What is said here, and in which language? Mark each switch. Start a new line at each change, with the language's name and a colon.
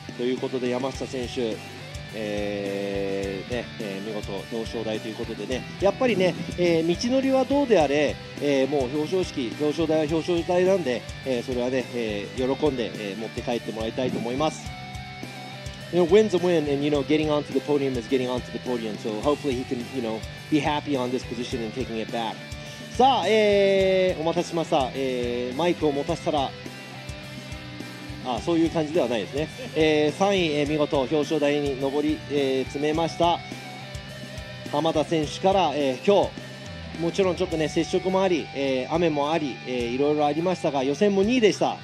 Japanese: ということで、山下選手、見事表彰台ということでね、やっぱりね、道のりはどうであれ、もう表彰式、表彰台は表彰台なんで、それはね、喜んで、持って帰ってもらいたいと思います。
English: You know, win's a win, and you know, getting onto the podium is getting onto the podium, so hopefully he can, you know, be happy on this position and taking it back.
Japanese: さあ、お待たせしました、マイクを持たせたら、あ、そういう感じではないですね、3位、見事表彰台に上り、詰めました浜田選手から、今日もちろんちょっとね接触もあり、雨もあり、いろいろありましたが、予選も2位でした。